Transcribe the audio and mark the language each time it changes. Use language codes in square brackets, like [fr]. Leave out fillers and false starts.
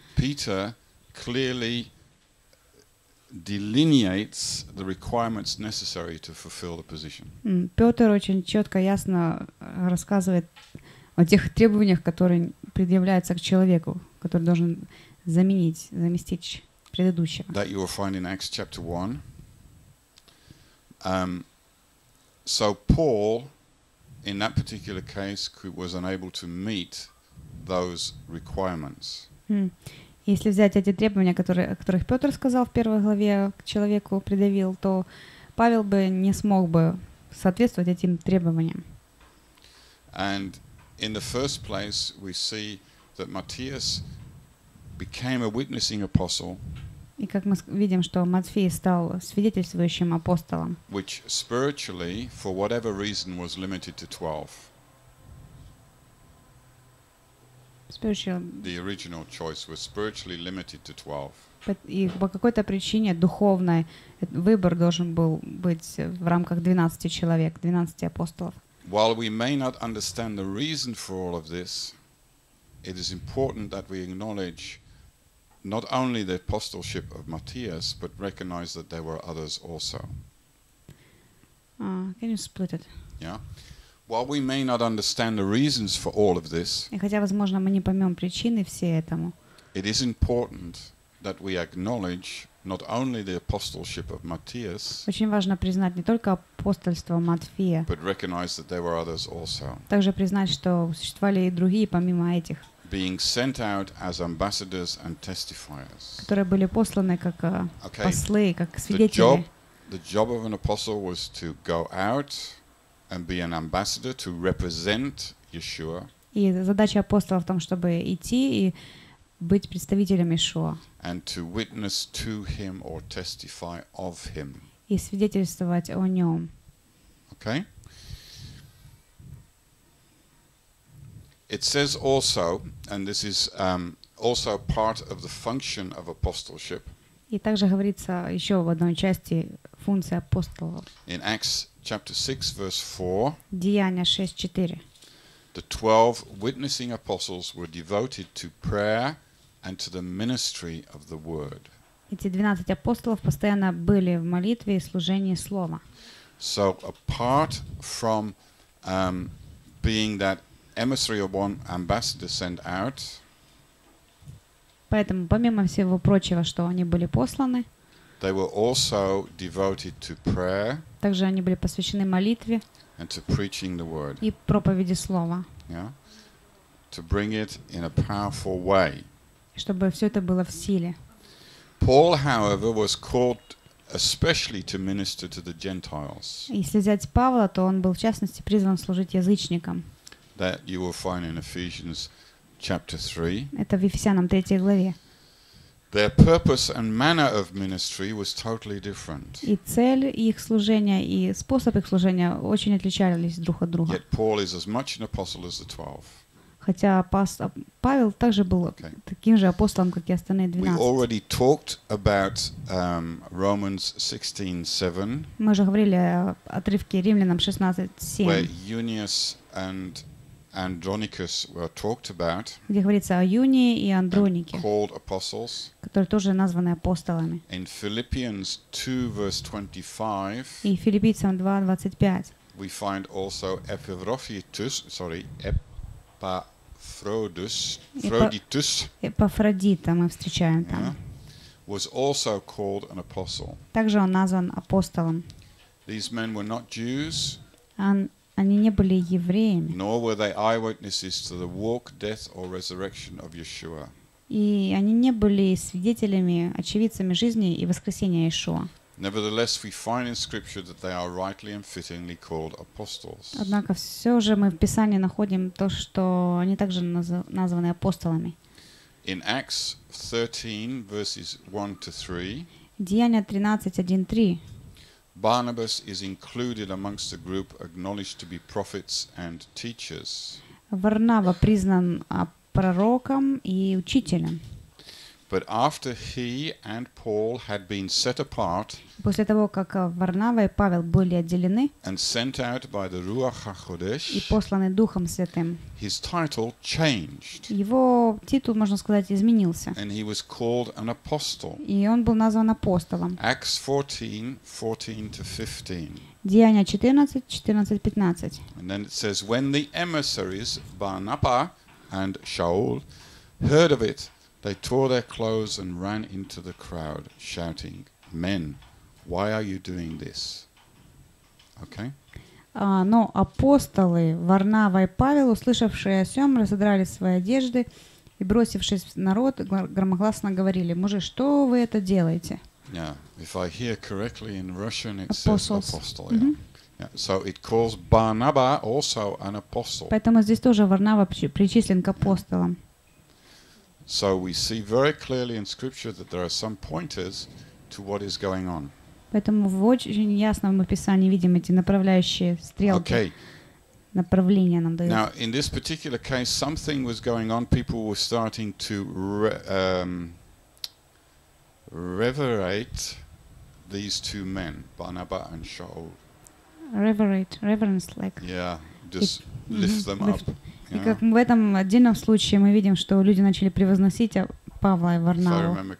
[en] Peter clearly delineates the requirements necessary to fulfill the position. [ru] Пётр очень чётко, ясно рассказывает о тех требованиях, которые предъявляются к человеку, который должен заместить предыдущего. [en] That you will find in Acts chapter 1. So Paul, in that particular case, was unable to meet those requirements. [ru] Если взять эти требования, о которых Петр сказал в первой главе, к человеку предъявил, то Павел бы не смог бы соответствовать этим требованиям. [en] And in the first place we see that Matthias became a witnessing apostle. [ru] И как мы видим, что Матфей стал свидетельствующим апостолом. [en] Which spiritually, for whatever reason, was limited to 12. The original choice was spiritually limited to 12. [ru] И по какой-то причине духовный выбор должен был быть в рамках 12 человек, 12 апостолов. [en] While we may not understand the reason for all of this, it is important that we acknowledge not only the apostleship of Matthias, but recognize that there were others also. Can you split it? Yeah. While we may not understand the reasons for all of this, [ru] и хотя, возможно, мы не поймем причины всей этому, [en] it is important that we acknowledge not only the apostleship of Matthias, [ru] очень важно признать не только апостольство Матфея, [en] but recognize that there were others also. [ru] Также признать, что существовали и другие помимо этих. [en] Being sent out as ambassadors and testifiers. [ru] Которые были посланы как послы, как свидетели. [en] The job of an apostle was to go out and be an ambassador to represent Yeshua. [ru] И задача апостола в том, чтобы идти и быть представителем Ишуа. [en] And to witness to him or testify of him. [ru] И свидетельствовать о нем. [en] Okay. It says also, and this is also part of the function of apostleship. [ru] И также говорится еще в одной части функции апостола. [en] In Acts chapter 6, verse 4. [ru] Деяния 6:4. [en] The 12 witnessing apostles were devoted to prayer and to the ministry of the word. [ru] Эти 12 апостолов постоянно были в молитве и служении слова. [en] So apart from being that emissary or one ambassador sent out. [ru] Поэтому помимо всего прочего, что они были посланы, [en] they were also devoted to prayer. [ru] Также они были посвящены молитве [en] and to preaching the word. [ru] И проповеди слова. [en] Yeah. To bring it in a powerful way. [ru] Чтобы все это было в силе. [en] Paul, however, was called especially to minister to the Gentiles. [ru] Если взять Павла, то он был в частности призван служить язычникам. [en] That you will find in Ephesians chapter 3. [ru] Это в Ефесянам 3 главе. [en] Their purpose and manner of ministry was totally different. [ru] И цель их служения и способ их служения очень отличались друг от друга. [en] Yet Paul is as much an apostle as the 12. [ru] Хотя Павел также был таким же апостолом, как и остальные 12. [en] We already talked about Romans 16:7. [ru] Мы уже говорили о отрывке Римлянам 16:7. [en] Where Eunice and Andronicus were talked about. [ru] Где говорится о Юнии и Андронике. [en] Called apostles. [ru] Которые тоже названы апостолами. [en] In Philippians 2 verse 25. [ru] И Филиппийцам 2:25. [en] We find also Epaphroditus. [ru] Epaphrodita мы встречаем там. [en] Was also called an apostle. [ru] Также он назван апостолом. [en] These men were not Jews. [ru] Они не были евреями. [en] Nor were they eyewitnesses to the walk, death, or resurrection of Yeshua. [ru] И они не были свидетелями, очевидцами жизни и воскресения Иешуа. [en] Nevertheless, we find in Scripture that they are rightly and fittingly called apostles. [ru] Однако все же мы в Писании находим то, что они также названы апостолами. [en] In Acts 13 verses 1 to 3. [ru] Деяния 13:1-3. [en] Barnabas is included amongst the group acknowledged to be prophets and teachers. [ru] Варнава признан пророком и учителем. [en] But after he and Paul had been set apart, [ru] после того как Варнава и Павел были отделены, [en] and sent out by the Ruach HaKodesh, [ru] и посланы Духом Святым, [en] his title changed. [ru] Его титул, можно сказать, изменился. [en] And he was called an apostle. [ru] И он был назван апостолом. [en] Acts 14:14-15. [ru] Деяния 14:14-15. [en] And then it says, when the emissaries Barnaba and Shaul heard of it, they tore their clothes and ran into the crowd, shouting, "Men, why are you doing this?" Okay. [ru] Но апостолы Варнава и Павел, услышавшие о сём, разодрали свои одежды и, бросившись в народ, громогласно говорили: "Мужи, что вы это делаете?" [en] Yeah. If I hear correctly in Russian, it apostles. Says apostle. Yeah. Mm-hmm. Yeah. So it calls Barnaba also an apostle. [ru] Поэтому здесь тоже Варнава причислен к апостолам. [en] Yeah. So we see very clearly in Scripture that there are some pointers to what is going on. [ru] Поэтому в очень ясном описании видим эти направляющие стрелки. [en] Okay. [ru] направление нам дает. [en] Now, in this particular case, something was going on. People were starting to reverate these two men, Barnaba and Shaul. Reverence, like. Yeah, just lift them up. [ru] И как в этом отдельном случае мы видим, что люди начали превозносить Павла и Варнаву.